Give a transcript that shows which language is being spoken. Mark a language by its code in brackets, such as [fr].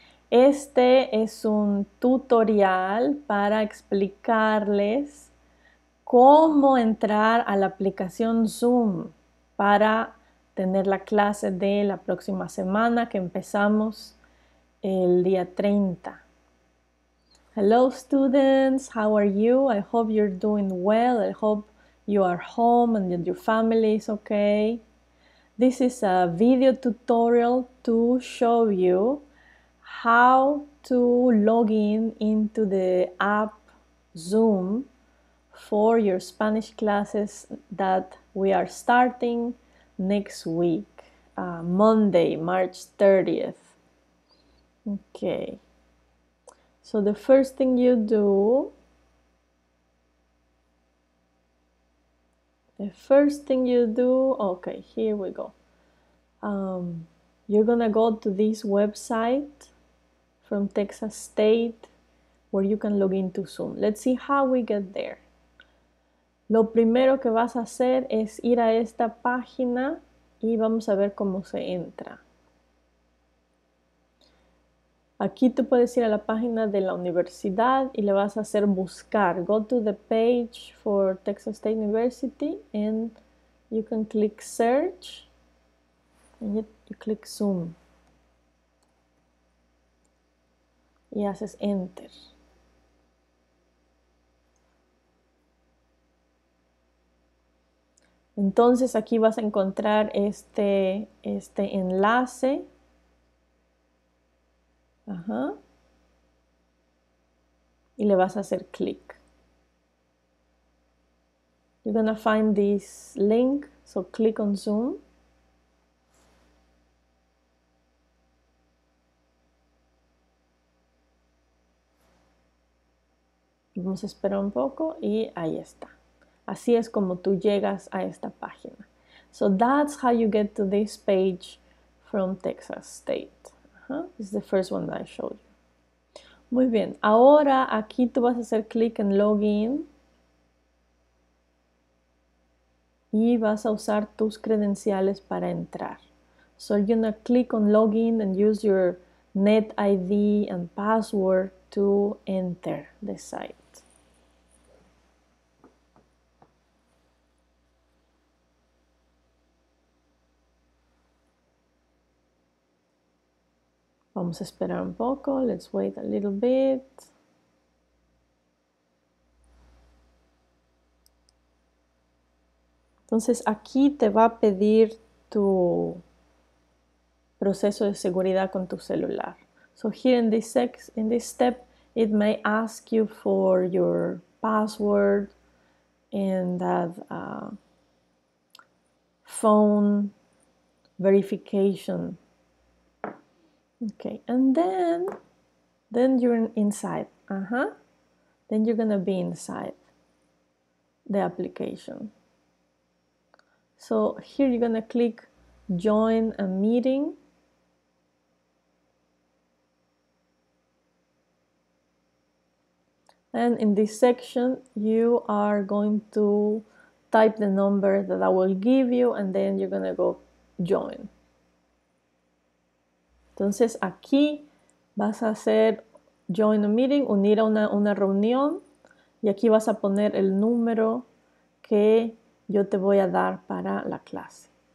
[es] Este es un tutorial para explicarles cómo entrar a la aplicación Zoom para tener la clase de la próxima semana que empezamos el día 30. [en] Hello students, how are you? I hope you're doing well. I hope you are home and that your family is okay. This is a video tutorial to show you how to log in into the app Zoom for your Spanish classes that we are starting next week, Monday, March 30th. Okay. So the first thing you do, okay, here we go. You're gonna go to this website from Texas State where you can log into Zoom. Let's see how we get there. [es] Lo primero que vas a hacer es ir a esta página y vamos a ver cómo se entra. Aquí tú puedes ir a la página de la universidad y le vas a hacer buscar. [en] Go to the page for Texas State University and you can click search and you click Zoom. [es] Y haces enter. Entonces aquí vas a encontrar este enlace. Y le vas a hacer clic. [en] You're gonna find this link, so click on Zoom. [es] Vamos a esperar un poco y ahí está. Así es como tú llegas a esta página. [en] So that's how you get to this page from Texas State. This is the first one that I showed you. [es] Muy bien, ahora aquí tú vas a hacer clic en login y vas a usar tus credenciales para entrar. [en] So you're gonna click on login and use your Net ID and password to enter the site. [es] Vamos a esperar un poco, [en] let's wait a little bit. [es] Entonces aquí te va a pedir tu proceso de seguridad con tu celular. [en] So here in this step, it may ask you for your password and that phone verification. Okay, and then you're inside. Then you're gonna be inside the application. So here you're gonna click join a meeting. And in this section, you are going to type the number that I will give you, and then you're gonna go join. [es] Entonces aquí vas a hacer join a meeting, unir a una reunión y aquí vas a poner el número que yo te voy a dar para la clase.